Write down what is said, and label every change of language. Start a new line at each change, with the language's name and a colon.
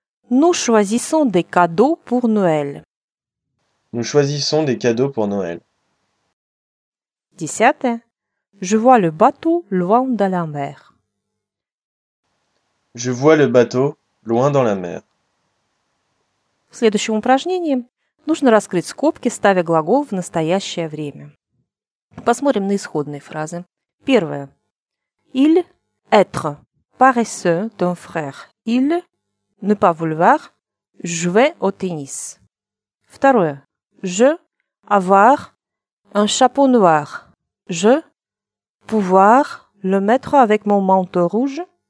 French: Nous choisissons des cadeaux pour Noël. Nous choisissons des cadeaux pour Noël.
Russian: Десятое.
French: Je vois le bateau loin dans la mer. Je vois le bateau loin dans la mer.
Russian: В следующем упражнении нужно раскрыть скобки, ставя глагол в настоящее время. Посмотрим на исходные фразы. Первое.
French: Il être paresseux ton frère. Il ne pas vouloir jouer au tennis.
Russian: Второе.
French: Je avoir un chapeau noir. Je pouvoir le mettre avec mon manteau rouge.